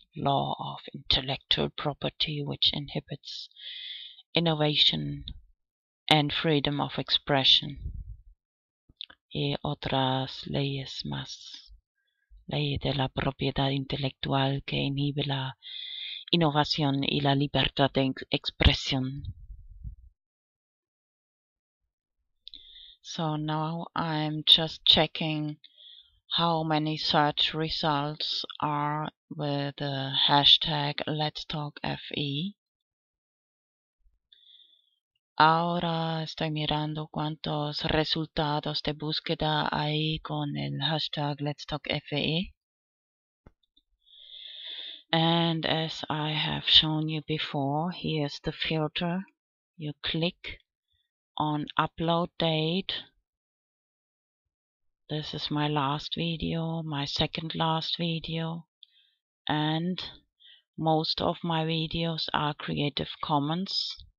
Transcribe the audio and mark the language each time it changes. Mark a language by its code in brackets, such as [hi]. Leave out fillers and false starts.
[en] Law of intellectual property, which inhibits innovation and freedom of expression. [es] Y otras leyes más. Ley de la propiedad intelectual que inhibe la innovación y la libertad de expresión. [en] So now I'm just checking how many search results are with the hashtag Let's Talk FE. [es] Ahora estoy mirando cuántos resultados de búsqueda hay con el hashtag Let's Talk FE. [en] And as I have shown you before, here's the filter. You click on upload date. This is my last video, my second last video, and most of my videos are Creative Commons.